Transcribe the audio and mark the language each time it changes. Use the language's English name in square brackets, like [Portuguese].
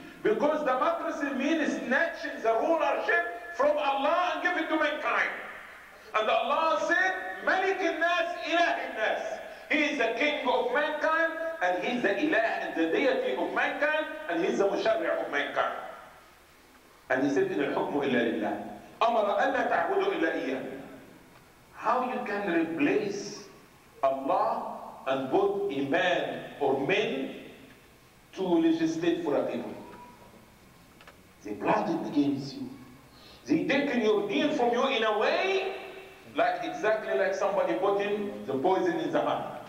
[English] Because democracy means snatching the rulership from Allah and give it to mankind. And Allah said, [Arabic] Malik al-Nas, Ilah al-Nas. [English] He is the king of mankind, and he is the Ilah and the deity of mankind, and he is the Musharri' of mankind. And he said, [Arabic] إِنَ الْحُكْمُ إِلَّا لِلَّهِ أَمَرَ أَلَّا تَعْبُدُوا إِلَّا إِيَّهِ. [English] How you can replace Allah and put a man or men to legislate for a people? They plotted against you. They taken your deen from you in a way like exactly like somebody putting the poison in the man.